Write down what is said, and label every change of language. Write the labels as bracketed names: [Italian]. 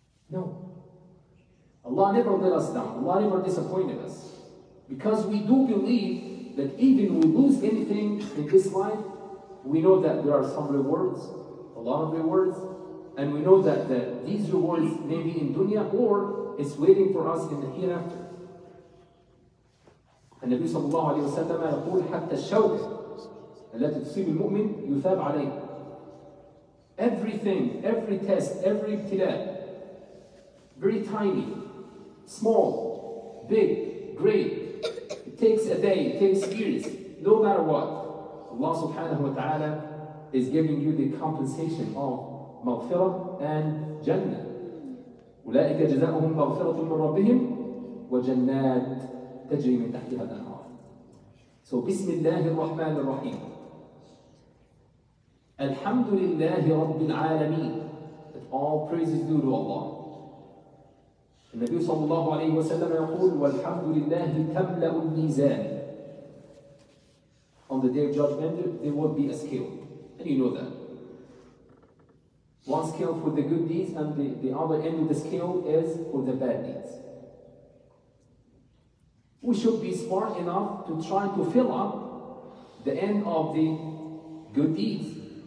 [English] No. Allah never let us down. Allah never disappointed us. Because we do believe that even we lose anything in this life, we know that there are some rewards, a lot of rewards, and we know that these rewards may be in dunya or it's waiting for us in the hereafter. [Arabic] And Nabi sallallahu alayhi wa sallam يقول حتى الشوك التي تصيب المؤمن يثاب عليه. [English] Everything, every test, every ابتلاء, very tiny, small, big, great, it takes a day, it takes years, no matter what, Allah subhanahu wa ta'ala is giving you the compensation of maghfirah and jannah. [Arabic] أولئك جزاؤهم مغفرة من ربهم وجنات تجري من تحتها الأنهار. So, بسم الله الرحمن الرحيم. الحمد لله رب العالمين. [English] That all praises due to Allah. [Arabic] النبي صلى الله عليه وسلم يقول والحمد لله تملأ الميزان. [English] On the day of judgment, there will be a scale. And you know that. One scale for the good deeds and the other end of the scale is for the bad deeds. We should be smart enough to try to fill up the end of the good deeds.